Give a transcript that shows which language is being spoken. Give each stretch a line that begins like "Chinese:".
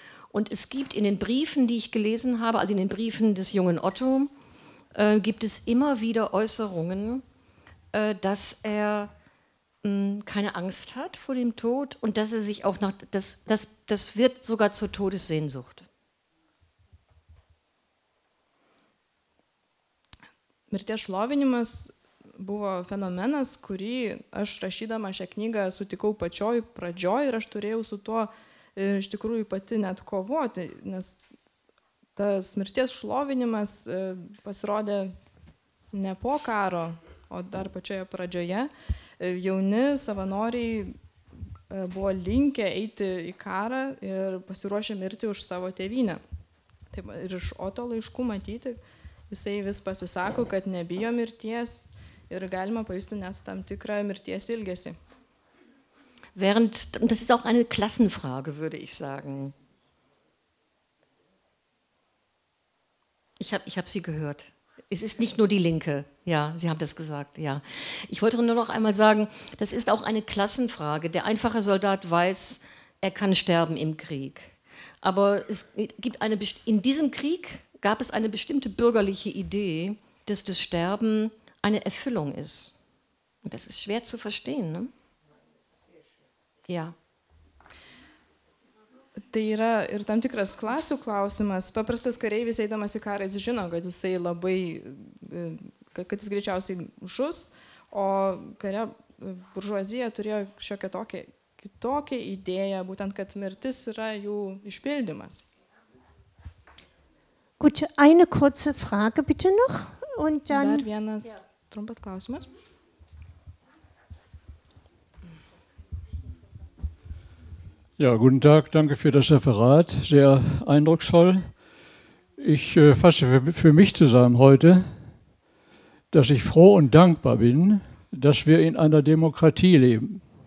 German: Und es gibt in den Briefen, die ich gelesen habe, also in den Briefen des jungen Otto, gibt es immer wieder Äußerungen, dass er keine Angst hat vor dem Tod und dass er sich auch noch, das wird sogar zur Todessehnsucht.
Lithuanian: Mirties Schlovinimas buvo fenomenas, kurį aš rašydama šią knygą sutikau pačioj pradžioj ir aš turėjau su tuo iš tikrųjų pati net kovoti, nes tas mirties šlovinimas pasirodė ne po karo, o dar pačioje pradžioje. Jauni savanoriai buvo linkę eiti į karą ir pasiruošę mirti už savo tėvynę. Taip, ir iš Oto laiškų matyti, jisai vis pasisako, kad nebijo mirties ir galima pajusti net tam tikrą mirties ilgesį.
German: Während, das ist auch eine Klassenfrage, würde ich sagen. Ich hab sie gehört. Es ist nicht nur die Linke. Ja, Sie haben das gesagt. Ja. Ich wollte nur noch einmal sagen, das ist auch eine Klassenfrage. Der einfache Soldat weiß, er kann sterben im Krieg. Aber es gibt eine, in diesem Krieg gab es eine bestimmte bürgerliche Idee, dass das Sterben eine Erfüllung ist. Und das ist schwer zu verstehen, ne? Ja.
Lithuanian: Tai yra ir tam tikras klasių klausimas. Paprastas kareivis, eidamas į karą, jis žino, kad jisai labai, kad jis greičiausiai žus, o kare buržuazija turėjo šiokią tokią kitokią idėją, būtent kad mirtis yra jų išpildymas.
German: Gut, eine kurze Frage bitte noch und dann
Lithuanian: dar vienas trumpas klausimas.
German: Ja, guten Tag, danke für das Referat, sehr eindrucksvoll. Ich fasse für mich zusammen heute, dass ich froh und dankbar bin, dass wir in einer Demokratie leben.